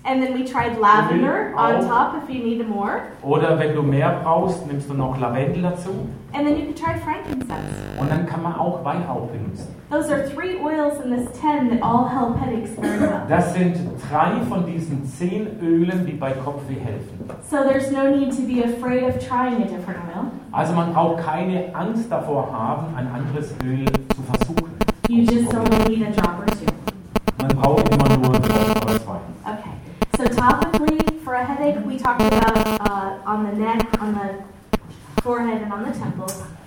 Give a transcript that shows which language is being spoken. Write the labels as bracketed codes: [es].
[en] And then we tried lavender on top if you need more. [de] Oder wenn du mehr brauchst, nimmst du noch Lavendel dazu. [en] And then you can try frankincense. [de] Und dann kann man auch Weihrauch benutzen. [en] Those are three oils in this 10 that all help headaches very well. [de] Das sind drei von diesen 10 Ölen, die bei Kopfweh helfen. [en] So there's no need to be afraid of trying a different oil. [de] Also man braucht keine Angst davor haben, ein anderes Öl zu versuchen. [en] You just only need a drop or two. [de] Man braucht immer nur ein Drop oder zwei. [en] Okay. So topically, for a headache, we talked about on the neck, on the forehead, and on the temples.